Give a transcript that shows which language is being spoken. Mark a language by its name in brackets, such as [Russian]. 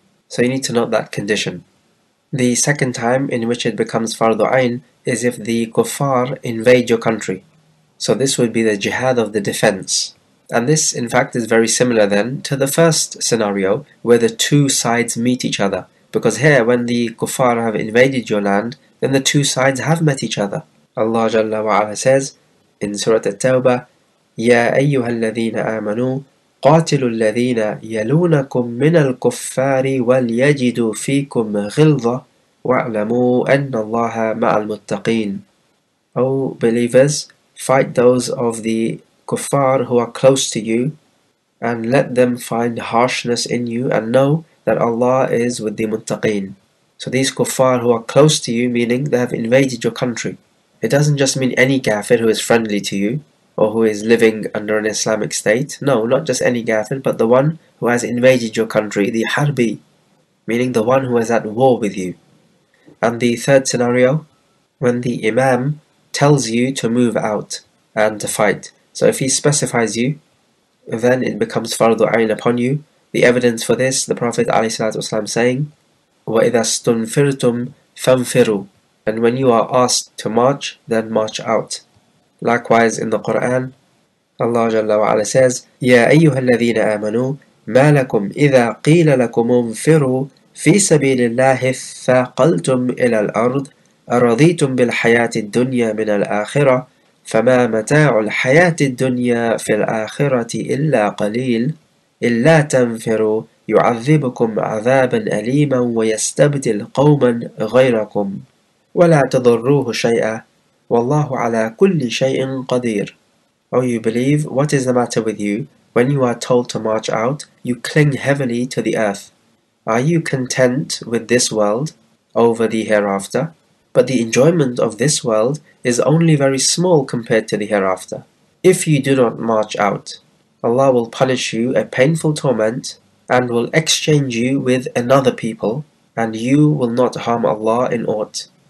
[English] So you need to note that condition. The second time in which it becomes fardhu ayn is if the kuffar invade your country. So this would be the jihad of the defense. And this, in fact, is very similar then to the first scenario where the two sides meet each other. Because here, when the kuffar have invaded your land, then the two sides have met each other. Allah Jalla wa Ala says in Surah At-Tawbah, [Arabic] يَا أَيُّهَا الَّذِينَ آمَنُوا قَاتِلُوا الَّذِينَ يَلُونَكُم مِّنَ الْكُفَّارِ وَلْيَجِدُوا فِيكُمْ غِلْظَةً وَاعْلَمُوا أَنَّ اللَّهَ مَعَ الْمُتَّقِينَ. [English] O believers, fight those of the kuffar who are close to you, and let them find harshness in you, and know that Allah is with the muttaqeen. So these kuffar who are close to you, meaning they have invaded your country. It doesn't just mean any kafir who is friendly to you, or who is living under an Islamic state. No, not just any kafir, but the one who has invaded your country, the harbi, meaning the one who is at war with you. And the third scenario, when the imam tells you to move out and to fight. So if he specifies you, then it becomes fardhu ayn upon you. The evidence for this, the Prophet ﷺ saying, [Arabic] وَإِذَا اسْتُنْفِرْتُمْ فَانْفِرُوا. [English] And when you are asked to march, then march out. Likewise in the Qur'an, Allah Jalla wa Ala says, [Arabic] يَا أَيُّهَا الَّذِينَ آمَنُوا مَا لَكُمْ إِذَا قِيلَ لَكُمُ انْفِرُوا فِي سَبِيلِ اللَّهِ فَقَلْتُمْ إِلَى الْأَرْضِ أَرَضِيتُمْ بِالْحَيَاةِ الدُّنْيَا مِنَ الْآخِرَةِ فَمَا مَتَاعُ الْحَيَاةِ الدُّنْيَا فِي الْآخِرَةِ إِلَّا قَلِيلٌ إِلَّا تَنْفِرُوا يُعَذِّبُكُمْ عَذَابًا أَلِيمًا وَيَسْتَبْدِلْ قَوْمًا غَيْرَكُمْ وَلَا تَضُرُّوهُ شَيْئًا وَاللَّهُ عَلَى كُلِّ شَيْءٍ قَدِيرٌ. [English] Oh, you believe, what is the matter with you? When you are told to march out, you cling heavily to the earth. Are you content with this world over the hereafter? But the enjoyment of this world is only very small compared to the hereafter. If you do not march out, Allah will punish you a painful torment and will exchange you with another people, and you will not harm Allah in aught.